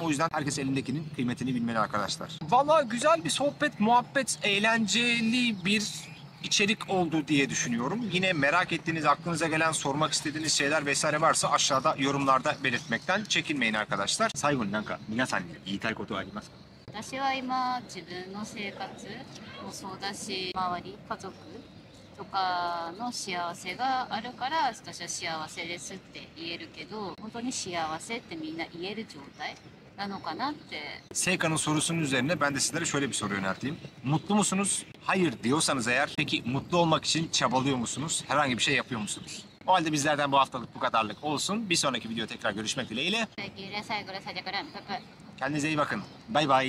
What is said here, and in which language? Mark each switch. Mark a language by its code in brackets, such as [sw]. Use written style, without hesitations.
[tr] O yüzden herkes elindekinin kıymetini bilmeli arkadaşlar. Vallahi güzel bir sohbet, muhabbet, eğlenceli bir içerik oldu diye düşünüyorum. Yine merak ettiğiniz, aklınıza gelen, sormak istediğiniz şeyler vesaire varsa aşağıda yorumlarda belirtmekten çekinmeyin arkadaşlar. [ja] Saygın nanka, minasan ni iitai koto arimasu ka? 私は今自分の生活もそうだし周り家族とかの幸せがあるから私は幸せですって言えるけど本当に幸せってみんな言える状態なのかなって [tr] Seyka'nın sorusunun üzerine ben de sizlere şöyle bir soru yönelteyim mutlu musunuz hayır diyorsanız eğer peki mutlu olmak için çabalıyor musunuz herhangi bir şey yapıyor musunuz O halde bizlerden bu haftalık bu kadarlık olsun bir sonraki videoda tekrar görüşmek dileğiyle Peki, saygıyla saygılarım. Kendinize iyi bakın. Bay bay.